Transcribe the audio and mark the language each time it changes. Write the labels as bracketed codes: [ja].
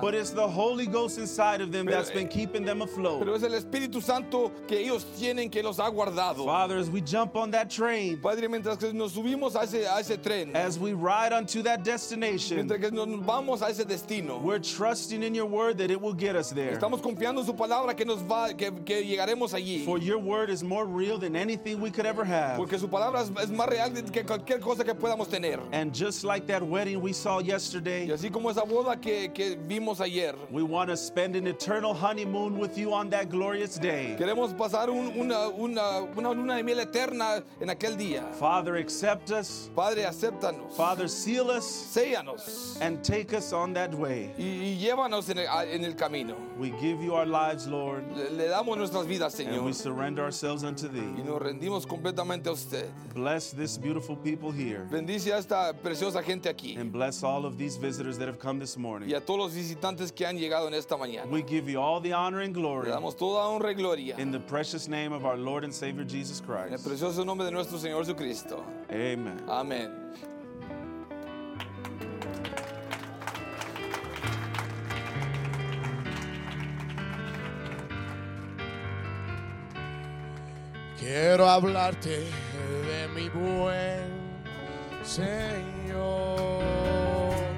[en] But it's the Holy Ghost inside of them that's been keeping them afloat. [es] Pero es el Espíritu Santo que ellos tienen que los ha guardado. [en] Father, as we jump on that train, [es] Padre, mientras que nos subimos a ese tren, [en] as we ride onto that destination, [es] mientras que nos vamos a ese destino, [en] we're trusting in your word that it will get us there. [es] Estamos confiando en su palabra que nos va, que llegaremos allí. [en] For your word is more real than anything we could ever have. [es] Porque su palabra es más real que cualquier cosa que podamos tener. [en] And just like that wedding we saw yesterday, [es] y así como esa boda que vimos ayer, [en] we want to spend an eternal honeymoon with you on that glorious day. [es] Queremos pasar una luna de miel eterna en aquel día. [en] Father, accept us. [es] Padre, acéptanos. [en] Father, seal us. [es] Séllanos. [en] And take us on that way. [es] Y llévanos en el camino. [en] We give you our lives, Lord. [es] Le damos nuestras vidas, Señor. [en] And we surrender ourselves unto thee. [es] Y nos rendimos completamente a usted. [en] Bless this beautiful people here. [es] Bendice a esta preciosa gente aquí. [en] And bless all of these visitors that have come this morning. [es] Y a todos los visitantes que han llegado en esta mañana. [en] We give you all the honor and glory. [es] Le damos toda honra y gloria. [en] In the precious name of our Lord and Savior Jesus Christ. [es] En el precioso nombre de nuestro Señor Jesucristo. [en] Amen. [es] Amen. Quiero hablarte de mi buen Señor.